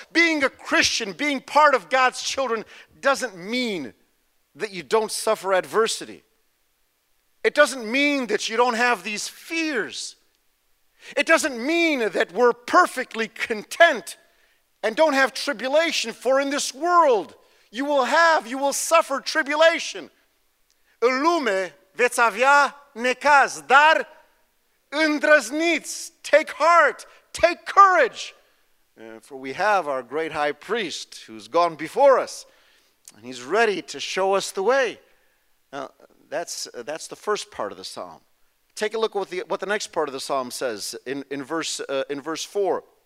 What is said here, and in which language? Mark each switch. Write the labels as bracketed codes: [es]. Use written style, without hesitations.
[en] Being a Christian, being part of God's children, doesn't mean that you don't suffer adversity. It doesn't mean that you don't have these fears. It doesn't mean that we're perfectly content and don't have tribulation, for in this world you will suffer tribulation. [ro] În lume veți avea necaz, dar îndrăzniți, [en] take heart, take courage. For we have our great high priest who's gone before us, and he's ready to show us the way. Now, that's the first part of the psalm. Take a look at what the next part of the psalm says in verse 4.